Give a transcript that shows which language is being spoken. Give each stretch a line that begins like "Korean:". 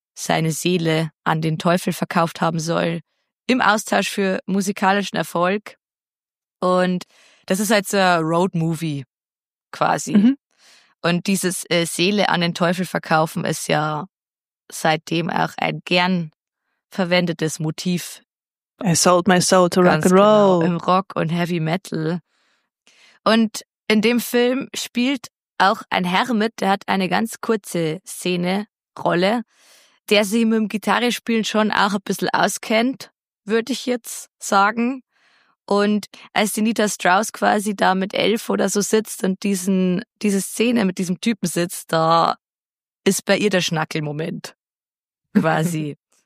German: seine Seele an den Teufel verkauft haben soll, im Austausch für musikalischen Erfolg. Und das ist halt so ein Road-Movie quasi. Mhm. Und dieses Seele an den Teufel verkaufen ist ja seitdem auch ein gern verwendetes Motiv.
English: I sold my soul to rock and roll.
German: Genau, im Rock und Heavy Metal. Und in dem Film spielt auch ein Herr mit, der hat eine ganz kurze Szene-Rolle, der sich mit dem Gitarrespielen schon auch ein bisschen auskennt, würde ich jetzt sagen. Und als die Nita Strauss quasi da mit 11 oder so sitzt und diese Szene mit diesem Typen sitzt, da ist bei ihr der Schnackelmoment quasi.